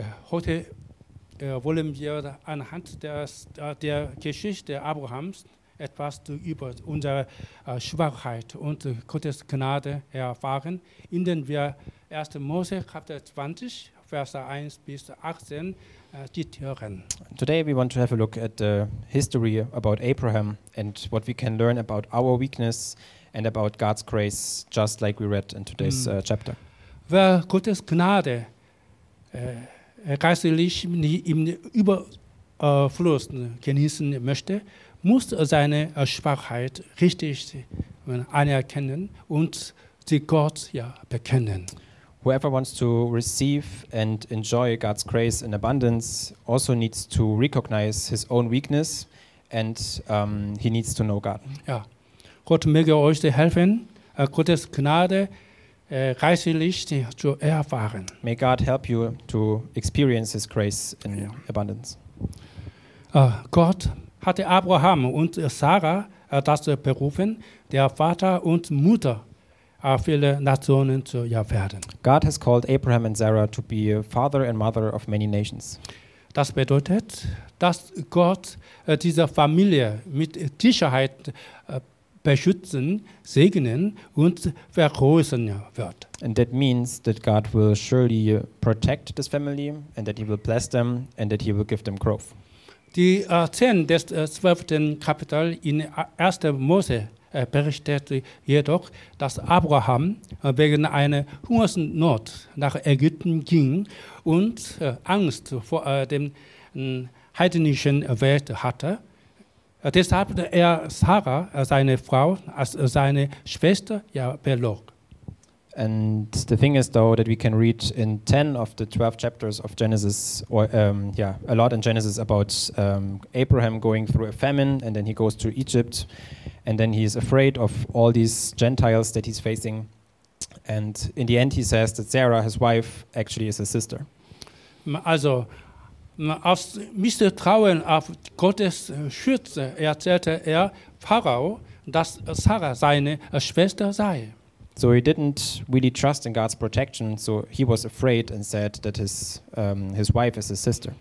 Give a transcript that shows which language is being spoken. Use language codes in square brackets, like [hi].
[de] Heute wollen wir anhand der Geschichte Abrahams etwas über unsere Schwachheit und Gottes Gnade erfahren, indem wir 1. Mose Kapitel 20, Vers 1 bis 18 zitieren. [en] Today we want to have a look at the history about Abraham and what we can learn about our weakness and about God's grace, just like we read in today's chapter. [de] Wer Gottes Gnade geistlich im Überfluss genießen möchte, muss seine Schwachheit richtig anerkennen und sie Gott bekennen. [en] Whoever wants to receive and enjoy God's grace in abundance also needs to recognize his own weakness and he needs to know God. [de] Ja. Gott möge euch helfen, Gottes Gnade reichlich zu erfahren. [en] May God help you to experience his grace in abundance. [de] Gott hatte Abraham und Sarah dazu berufen, der Vater und Mutter viele Nationen zu werden. [en] God has called Abraham and Sarah to be a father and mother of many nations. [de] Das bedeutet, dass Gott diese Familie mit Sicherheit beschützen, segnen und vergrößern wird. [en] And that means that God will surely protect this family and that he will bless them and that he will give them growth. [de] Die 10 des 12. Kapitel in 1. Mose berichtet jedoch, dass Abraham wegen einer Hungersnot nach Ägypten ging und Angst vor dem heidnischen Welt hatte. Deshalb er Sarah, seine Frau, als seine Schwester belog. [en] And the thing is though that we can read in 10 of the 12 chapters of Genesis or a lot in Genesis about Abraham going through a famine and then he goes to Egypt and then he is afraid of all these Gentiles that he's facing and in the end he says that Sarah, his wife, actually is his sister. [de] Also aus Misstrauen auf Gottes Schütze erzählte Pharao, dass Sarah seine Schwester sei. [en] So he didn't really trust in God's protection, so he was afraid and said that his wife is his sister.